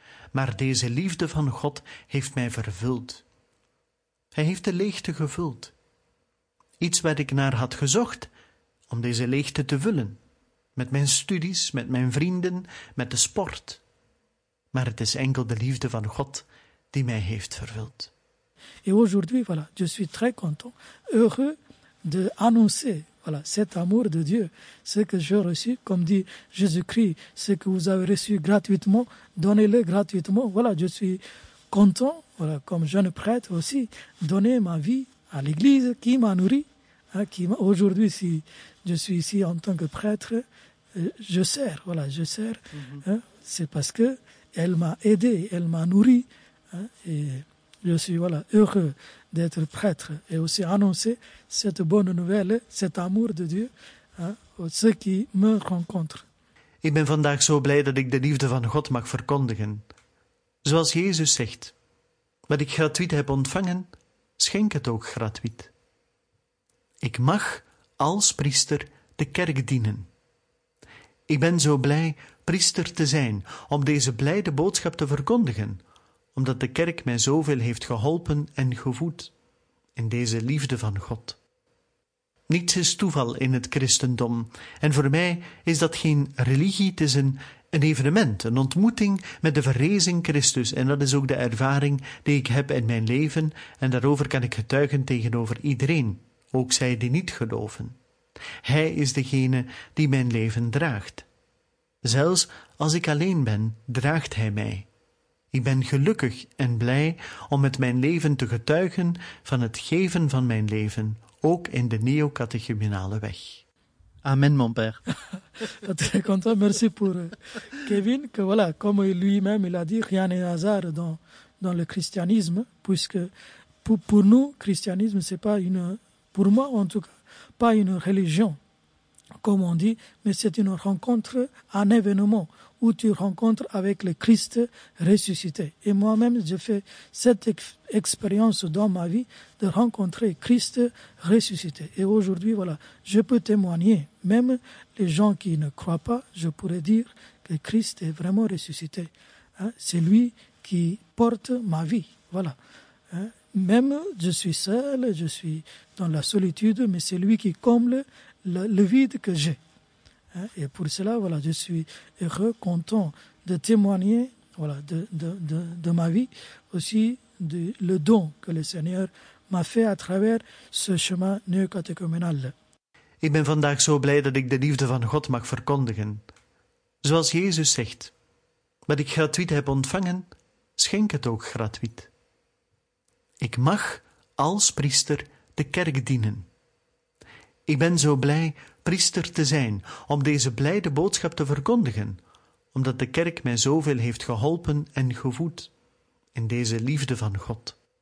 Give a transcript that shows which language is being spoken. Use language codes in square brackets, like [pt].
[nl] Maar deze liefde van God heeft mij vervuld. Hij heeft de leegte gevuld. Iets wat ik naar had gezocht, om deze leegte te vullen. Met mijn studies, met mijn vrienden, met de sport. Maar het is enkel de liefde van God die mij heeft vervuld. [fr] En aujourd'hui, voilà, je suis très content, heureux de annoncer. Voilà, cet amour de Dieu, ce que j'ai reçu, comme dit Jésus-Christ, ce que vous avez reçu gratuitement, donnez-le gratuitement. Voilà, je suis content, voilà, comme jeune prêtre aussi, donner ma vie à l'Église qui m'a nourri. Hein, qui m'a... Aujourd'hui, si je suis ici en tant que prêtre, je sers, voilà, je sers. Mm-hmm. Hein, c'est parce qu'elle m'a aidé, elle m'a nourri. Hein, et je suis voilà, heureux. D'être prêtre et aussi annoncer cette bonne nouvelle, cet amour de Dieu, hein, aux ceux qui me rencontrent. [nl] Ik ben vandaag zo blij dat ik de liefde van God mag verkondigen. Zoals Jezus zegt, wat ik gratuit heb ontvangen, schenk het ook gratuit. Ik mag als priester de kerk dienen. Ik ben zo blij priester te zijn, om deze blijde boodschap te verkondigen, omdat de kerk mij zoveel heeft geholpen en gevoed in deze liefde van God. Niets is toeval in het christendom, en voor mij is dat geen religie, het is een een evenement, een ontmoeting met de verrezen Christus. En dat is ook de ervaring die ik heb in mijn leven. En daarover kan ik getuigen tegenover iedereen, ook zij die niet geloven. Hij is degene die mijn leven draagt. Zelfs als ik alleen ben, draagt hij mij. Ik ben gelukkig en blij om met mijn leven te getuigen van het geven van mijn leven, ook in de neocatechumenale weg. [fr] Amen, mon père. Très content, merci pour Kevin. Que voilà, comme lui-même il a dit, rien n'est hasard dans le christianisme, puisque pour nous, christianisme, c'est pas une, pour moi en tout cas, pas une religion, comme on dit, mais c'est une rencontre, un événement où tu rencontres avec le Christ ressuscité. Et moi-même, j'ai fait cette expérience dans ma vie de rencontrer Christ ressuscité. Et aujourd'hui, voilà, je peux témoigner, même les gens qui ne croient pas, je pourrais dire que Christ est vraiment ressuscité. Hein? C'est lui qui porte ma vie. Voilà. Hein? Même je suis seul, je suis dans la solitude, mais c'est lui qui comble le vide que j'ai. Et pour cela, voilà, je suis heureux, content de témoigner, voilà, de ma vie, aussi de le don que le Seigneur m'a fait à travers ce chemin neocatechuménal. [nl] Ik ben vandaag zo blij dat ik de liefde van God mag verkondigen. Zoals Jezus zegt, wat ik gratuit heb ontvangen, schenk het ook gratuit. Ik mag als priester de kerk dienen. Ik ben zo blij priester te zijn, om deze blijde boodschap te verkondigen, omdat de kerk mij zoveel heeft geholpen en gevoed in deze liefde van God.